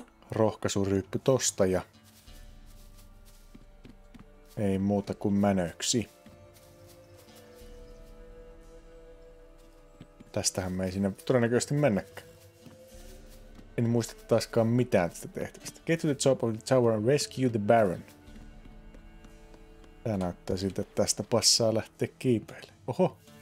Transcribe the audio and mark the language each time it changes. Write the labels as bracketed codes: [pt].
[fi] Rohkaisuryyppy tosta ja ei muuta kuin mänöksi. Tästähän me ei sinne todennäköisesti mennäkään. En muista taaskaan mitään tästä tehtävästä. [en] Get to the top of the tower and rescue the Baron. [fi] Tää näyttää siltä, että tästä passaa lähteä kiipeille. Oho!